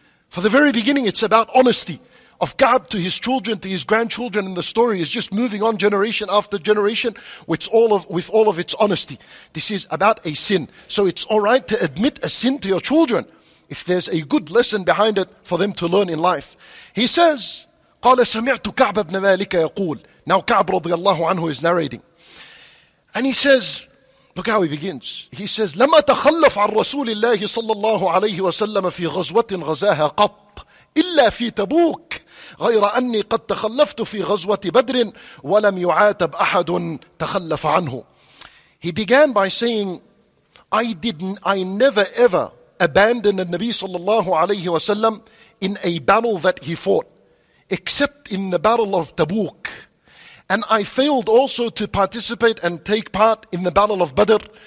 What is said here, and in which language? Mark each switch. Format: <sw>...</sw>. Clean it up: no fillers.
<en>For the very beginning, it's about honesty of Ka'b to his children, to his grandchildren, and the story is just moving on generation after generation with all of its honesty. This is about a sin. So it's all right to admit a sin to your children if there's a good lesson behind it for them to learn in life. He says,</en> <ar>قَالَ سَمِعْتُ كَعْبَ بْنَ مَالِكَ يَقُولُ.</ar> <en>Now Ka'b radiallahu anhu is narrating. And he says, look how he begins. He says,</en> <ar>لَمَا تَخَلَّفْ عَنْ رَسُولِ اللَّهِ صَلَّى اللَّهُ عَلَيْهِ وَسَلَّمَ فِي غَزْوَةٍ غَزَاهَا قَطْ إِلَّا فِي تَبُوكَ غير أني قد تخلفت في غزوة بدر ولم يعاتب أحد تخلف عنه.</ar> <en>He began by saying, I never ever abandoned the Nabi sallallahu alayhi wasallam in a battle that he fought, except in the battle of Tabuk. And I failed also to participate and take part in the battle of Badr.</en>